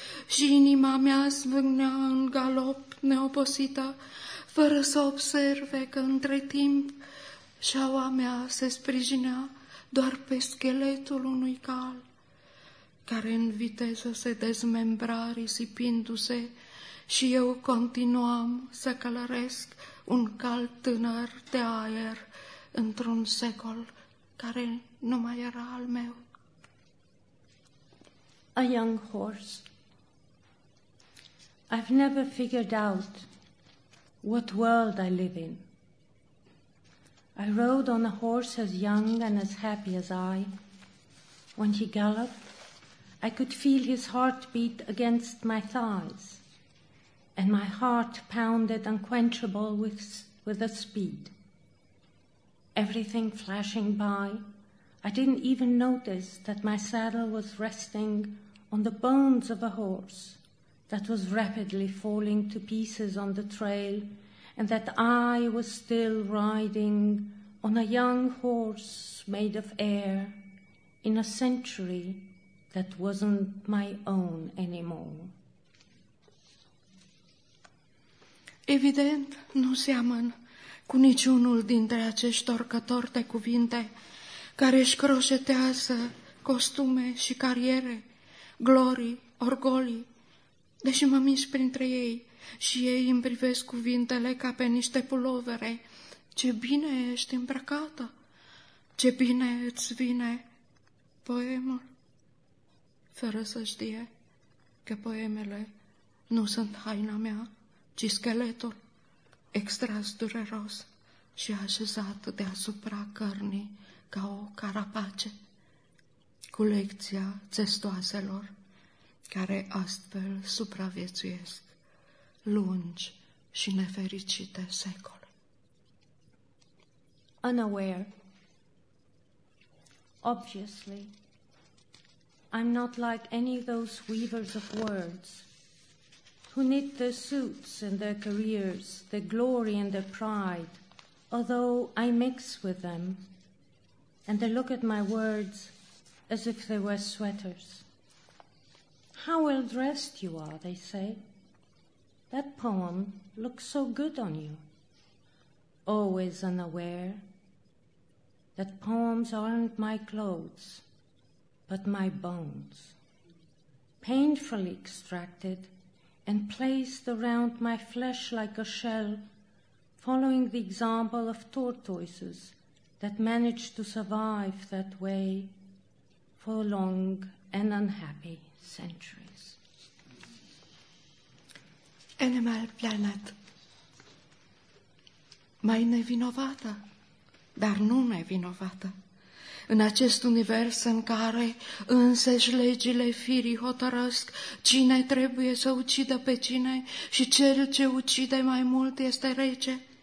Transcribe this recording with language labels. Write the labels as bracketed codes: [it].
[ro] și inima mea zvâcnea în galop neobosită, fără să observe că între timp șaua mea se sprijinea doar pe scheletul unui cal, care în viteză se dezmembra risipindu-se și eu continuam să călăresc un cal tânăr de aer într-un secol care nu mai era al meu. [en] A young horse. I've never figured out what world I live in. I rode on a horse as young and as happy as I. When he galloped, I could feel his heart beat against my thighs, and my heart pounded unquenchable with the speed. Everything flashing by, I didn't even notice that my saddle was resting on the bones of a horse that was rapidly falling to pieces on the trail, and that I was still riding on a young horse made of air in a century that wasn't my own anymore. [ro] Evident, nu seamăn cu niciunul dintre acești oricători de cuvinte care își croșetează costume și cariere, glorii, orgolii, deși mă mișc printre ei și ei îmi privesc cuvintele ca pe niște pulovere. Ce bine ești îmbrăcată! Ce bine îți vine poemul! Fără să știe că poemele nu sunt haina mea, ci scheletul extras dureros și așezat deasupra cărnii ca o carapace, colecția țestoaselor care astfel supraviețuiesc lungi și nefericite secole. [en] Unaware. Obviously, I'm not like any of those weavers of words who knit their suits and their careers, their glory and their pride, although I mix with them, and they look at my words as if they were sweaters. How well dressed you are, they say. That poem looks so good on you. Always unaware that poems aren't my clothes, but my bones, painfully extracted and placed around my flesh like a shell, following the example of tortoises that managed to survive that way for long and unhappy centuries. [ro] Animal planet, mai nevinovată, dar nu nevinovată, în acest univers în care însăși legile firii hotărăsc cine trebuie să ucidă pe cine și cel ce ucide mai mult este rege,